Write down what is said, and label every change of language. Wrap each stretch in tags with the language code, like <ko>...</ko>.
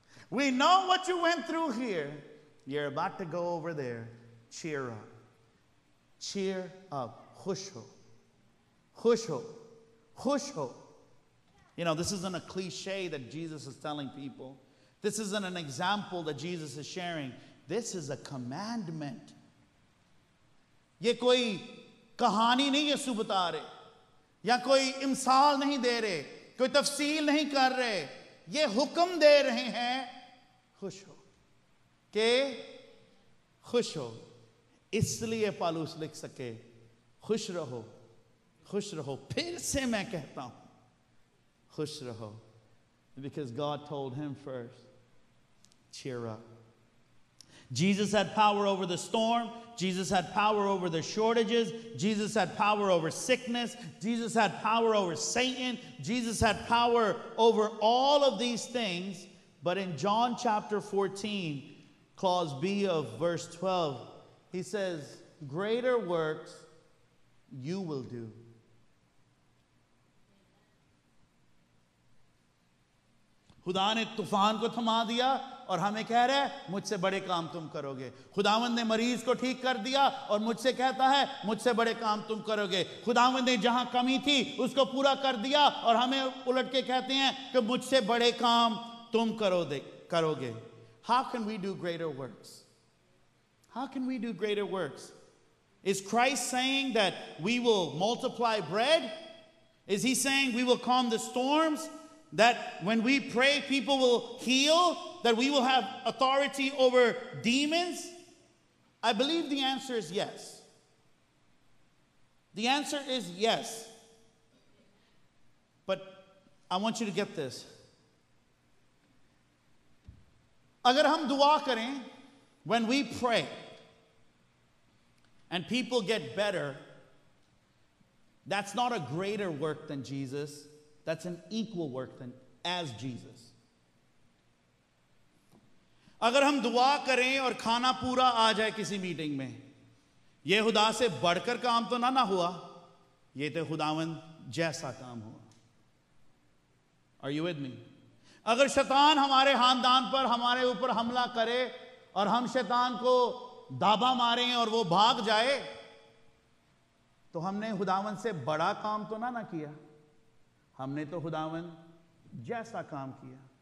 <en>We know what you went through here. You're about to go over there. Cheer up. Cheer up. Hush ho. Hush ho. Hush ho. You know, this isn't a cliche that Jesus is telling people. This isn't an example that Jesus is sharing. This is a commandment.</en> <hi>ये कोई कहानी नहीं ये सुबता रहे, या कोई इम्साल नहीं दे रहे, कोई तफसील नहीं कर रहे. ये हुक्म दे रहे हैं. खुश हो. के खुश हो. इसलिए पालूस लिख सके. खुश रहो. खुश रहो. फिर से मैं कहता हूँ. खुश रहो.</hi> <en>Because God told him first. Cheer up. Jesus had power over the storm. Jesus had power over the shortages. Jesus had power over sickness. Jesus had power over Satan. Jesus had power over all of these things. But in John chapter 14, clause B of verse 12, he says, greater works you will do.</en> <hi>खुदा ने तूफान को थमा दिया और हमें कह रहा है मुझसे बड़े काम तुम करोगे. खुदावंद ने मरीज को ठीक कर दिया और मुझसे कहता है मुझसे बड़े काम तुम करोगे. खुदावंद ने जहां कमी थी उसको पूरा कर दिया और हमें उलट के कहते हैं कि मुझसे बड़े काम तुम करोगे.</hi> <en>How can we do greater works? How can we do greater works? Is Christ saying that we will multiply bread? Is he saying we will calm the storms? That when we pray, people will heal? That we will have authority over demons? I believe the answer is yes. The answer is yes. But I want you to get this.</en> <hi>Agar hum dua karein,</hi> <en>when we pray, and people get better, that's not a greater work than Jesus. That's an equal work than as Jesus.</en> <hi>अगर हम दुआ करें और खाना पूरा आ जाए किसी meeting में, ये खुदा से बढ़कर काम तो ना हुआ, ये तो खुदावंद जैसा काम हुआ.</hi> <en>Are you with me?</en> <hi>अगर शैतान हमारे खानदान पर हमारे ऊपर हमला करे और हम शैतान को दाबा मारें और वो भाग जाए, तो हमने खुदावंद से बड़ा काम तो ना किया, हमने तो खुदावन जैसा काम किया.</hi>